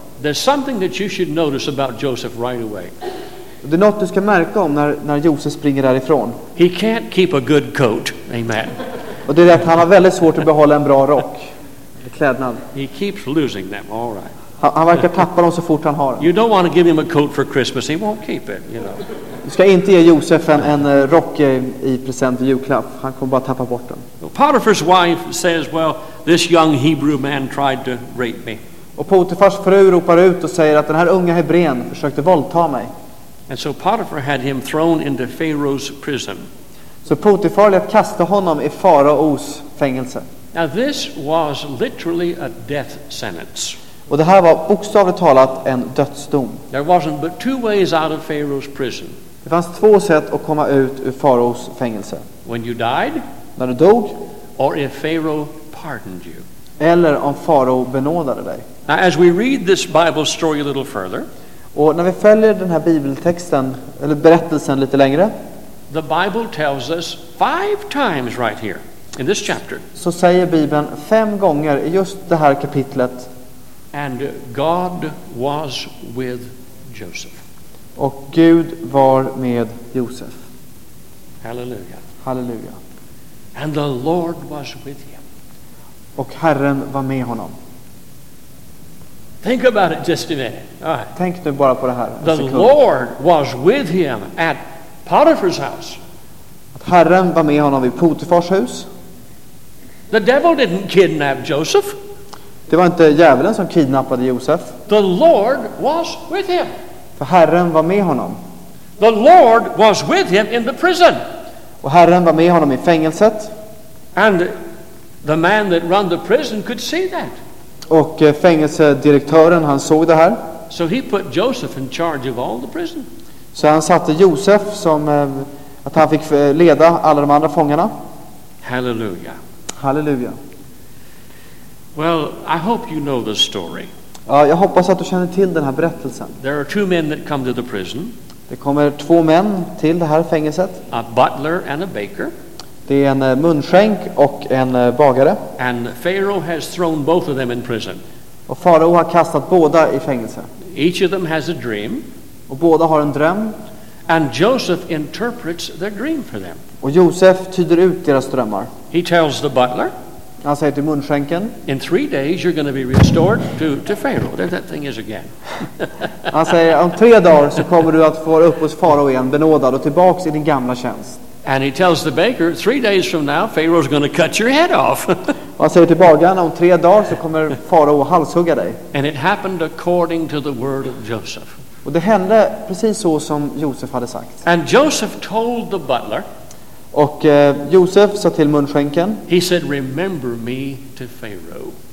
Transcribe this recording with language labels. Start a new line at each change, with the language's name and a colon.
English: There's something that you should notice about Joseph right away.
Swedish: Det är något du ska märka om när Josef springer därifrån.
English: He can't keep a good coat. Amen.
Swedish: Och det är att han har väldigt svårt att behålla en bra rock. Klädnad.
English: He keeps losing them. All right.
Swedish: Han verkar tappa dem så fort han har.
English: You don't want to give him a coat for Christmas. He won't keep it, you know.
Swedish: Du ska inte ge Josef en rock i present i julklapp. Han kommer bara tappa bort den.
English: Potiphar's wife says, well, this young Hebrew man tried to rape me.
Swedish: Och Potifars fru ropar ut och säger att den här unga hebrén försökte våldta mig.
English: And so Potiphar had him thrown into Pharaoh's prison.
Swedish: Så Potifar lät kasta honom i faraos fängelse.
English: Now this was literally a death sentence.
Swedish: Och det här var bokstavligt talat en dödsdom.
English: There wasn't but two ways out of Pharaoh's prison.
Swedish: Det fanns två sätt att komma ut ur faraos fängelse.
English: When you died,
Swedish: när du dog,
English: or if Pharaoh pardoned you.
Swedish: Eller om farao benådade dig.
English: Now as we read this Bible story a little further,
Swedish: och när vi följer den här bibeltexten eller berättelsen lite längre,
English: the Bible tells us five times right here in this chapter.
Swedish: Så säger Bibeln fem gånger i just det här kapitlet.
English: And God was with Joseph.
Swedish: Och Gud var med Josef.
English: Halleluja.
Swedish: Halleluja.
English: And the Lord was with him.
Swedish: Och Herren var med honom.
English: Think about it just a minute.
Swedish: Tänk nu bara på det här.
English: The Lord was with him at Potiphar's house.
Swedish: Att Herren var med honom vid Potifars hus.
English: The devil didn't kidnap Joseph.
Swedish: Det var inte djävulen som kidnappade Josef.
English: The Lord was with him.
Swedish: För Herren var med honom.
English: The Lord was with him in the prison.
Swedish: Och Herren var med honom i fängelset.
English: And the man that run the prison could see that.
Swedish: Och fängelsedirektören, han såg det här.
English: So he put Joseph in charge of all the prison.
Swedish: Så han satte Josef som att han fick leda alla de andra fångarna.
English: Halleluja.
Swedish: Halleluja.
English: Well, I hope you know the story.
Swedish: Jag hoppas att du känner till den här berättelsen.
English: There are two men that come to the prison.
Swedish: Det kommer två män till det här fängelset.
English: A butler and a baker.
Swedish: Det är en munskänk och en bagare.
English: And Pharaoh has thrown both of them in prison.
Swedish: Och farao har kastat båda i fängelse.
English: Each of them has a dream.
Swedish: Och båda har en dröm.
English: And Joseph interprets their dream for them.
Swedish: Och Josef tyder ut deras drömmar.
English: He tells the butler.
Swedish: Han säger till munskänken.
English: In three days you're going to be restored to Pharaoh. There that thing is again.
Swedish: Han säger om tre dagar så kommer du att få upp hos farao igen, benådad och tillbaks i din gamla tjänst.
English: And he tells the baker, three days from now Pharaoh's going to cut your head off.
Swedish: Han säger till bagaren, om tre dagar så kommer farao att halshugga dig.
English: And it happened according to the word of Joseph.
Swedish: Och det hände precis så som Josef hade sagt.
English: And Joseph told the butler.
Swedish: Och Josef sa till munskänken.
English: He said, remember me to Pharaoh.